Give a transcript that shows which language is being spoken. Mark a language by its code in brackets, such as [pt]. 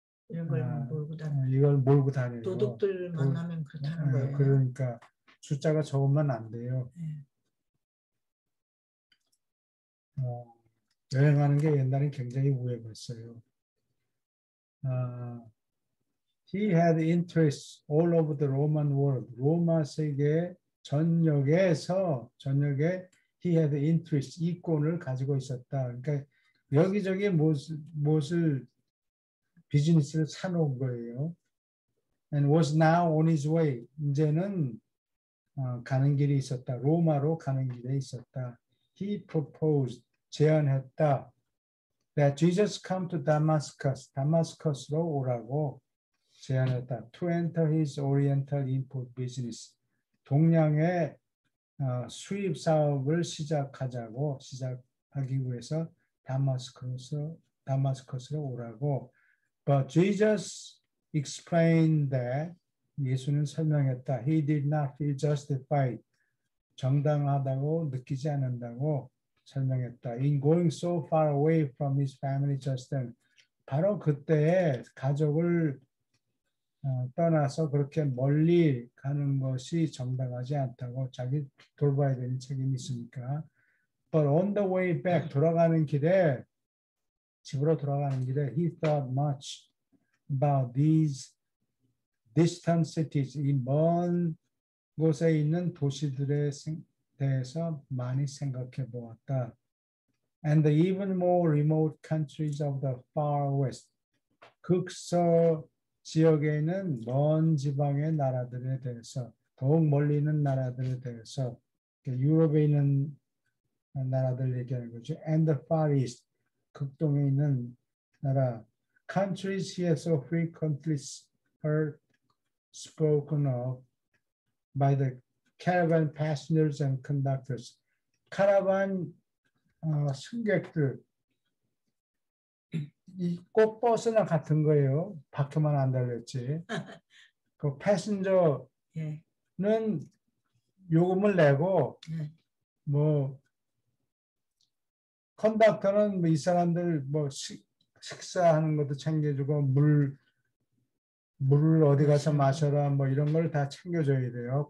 [ko] 이런 걸 몰고 다니는 이걸 몰고 다니고 도둑들 만나면 그렇다는 거예요. 그러니까 숫자가 적으면 안 돼요. 네. 여행하는 게 옛날엔 굉장히 위험했어요. [en] He had interests all over the Roman world. [ko] 로마 세계 전역에서 전역에 [en] he had interests [ko] 이권을 가지고 있었다. 그러니까 여기저기 무엇을 비즈니스를 사놓은 거예요. [en] And was now on his way. [ko] 이제는 가는 길이 있었다. 로마로 가는 길에 있었다. [en] He proposed [ko] 제안했다. [en] That Jesus come to Damascus. [ko] 다마스커스로 오라고 제안했다. [en] To enter his oriental import business. [ko] 동양의 수입 사업을 시작하자고 시작하기 위해서 다마스커스로 오라고. [en] But Jesus explained that [ko] 예수는 설명했다. [en] He did not feel justified. [ko] 정당하다고 느끼지 않는다고 설명했다. [en] In going so far away from his family just then. [ko] 바로 그때에 가족을 떠나서 그렇게 멀리 가는 것이 정당하지 않다고 자기 돌봐야 되는 책임이 있으니까. [en] But on the way back, [ko] 돌아가는 길에 집으로 돌아가는 길에 [en] he thought much about these distant cities. [ko] 이 먼 곳에 있는 도시들에 대해서 많이 생각해 보았다. [en] And the even more remote countries of the far west. [ko] 극서 지역에 있는 먼 지방의 나라들에 대해서 더욱 멀리 있는 나라들에 대해서 유럽에 있는 나라들 얘기하는 거죠. [en] And the far east. [ko] 극동에 있는 나라. [en] Countries he has so frequently heard spoken of by the caravan passengers and conductors. [ko] 카라반 승객들. 이 꽃버스나 같은 거예요. 밖에만 안 달렸지. 그 패신저는 요금을 내고 뭐 컨덕터는 뭐 이 사람들 뭐 식사하는 것도 챙겨주고 물을 어디 가서 마셔라 뭐 이런 걸 다 챙겨줘야 돼요.